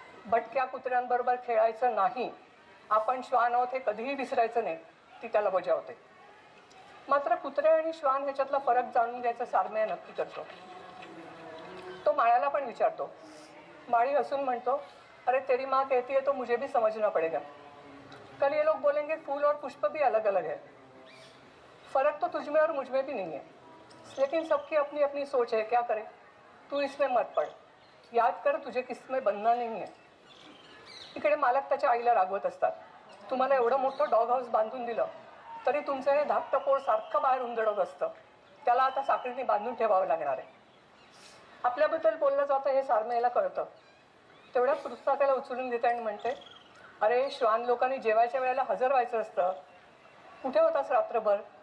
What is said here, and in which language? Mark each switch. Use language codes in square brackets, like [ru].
[mr] भटक्या कुत्र्यांबरोबर खेळायचं नाही, आपण श्वान आहोत हे कधीही विसरायचं नाही, ती त्याला बजावते. मात्र कुत्रे आणि श्वान ह्याच्यातला फरक जाणून घ्यायचा सारमेय नक्की करतो. तो माळ्याला पण विचारतो. माळी हसून म्हणतो, [hi] अरे तेरी माँ कहती है तो मुझे भी समझना पड़ेगा. कल ये लोग बोलेंगे फूल और पुष्प भी अलग अलग है. फर्क तो तुझमें और मुझमें भी नहीं है, लेकिन सबकी अपनी अपनी सोच है, क्या करें. तू इसमें मत पड़, याद कर तुझे किसमें बंधना नहीं है. [mr] इकड़े मालक त्याच्या आईला रागवत असतात. तुम्हाला एवढं मोठं डॉग हाऊस बांधून दिलं तरी तुमचं हे धाकट पोर सारखं बाहेर उंदडत असतं, त्याला आता साखळीने बांधून ठेवावं लागणार आहे. आपल्याबद्दल बोललं जातं हे सारमेला कळतं. तेवढ्या पुस्तकाला उचलून देते आणि म्हणते, अरे श्वान लोकांनी जेवायच्या वेळेला हजर व्हायचं असतं, कुठे होतास रात्रभर?